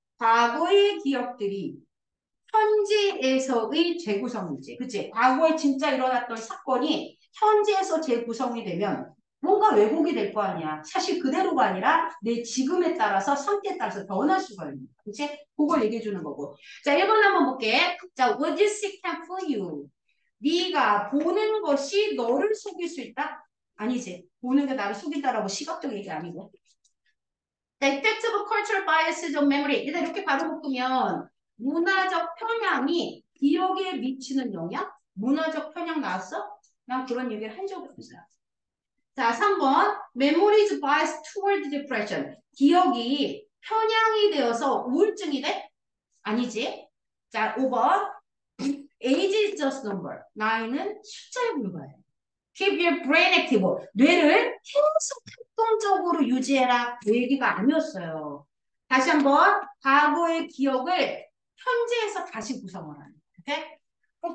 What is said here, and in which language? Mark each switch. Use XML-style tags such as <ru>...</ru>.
<ko>과거의 기억들이 현재에서의 재구성이지. 그치? 과거에 진짜 일어났던 사건이 현재에서 재구성이 되면 뭔가 왜곡이 될거 아니야. 사실 그대로가 아니라 내 지금에 따라서 상태에 따라서 변할 수가 있는 거야. 그치? 그걸 얘기해 주는 거고. 자, 1번 한번 볼게.</ko> <en>자, would you seek help for you?</en> <ko>네가 보는 것이 너를 속일 수 있다? 아니지. 보는 게 나를 속인다라고 시각적 얘기 아니고.</ko> <en>The effect of cultural biases on memory.</en> <ko>일단 이렇게 바로 묶으면 문화적 편향이 기억에 미치는 영향? 문화적 편향 나왔어? 난 그런 얘기를 한 적이 없어요. 자, 3번.</ko> <en>Memories bias toward depression.</en> <ko>기억이 편향이 되어서 우울증이 돼? 아니지. 자, 5번.</ko> <en>Age is just number.</en> <ko>나이는 숫자에 불과해.</ko> <en>Keep your brain active.</en> <ko>뇌를 계속 활동적으로 유지해라. 그 얘기가 아니었어요. 다시 한번. 과거의 기억을 현재에서 다시 구성을 하는 거야.</ko>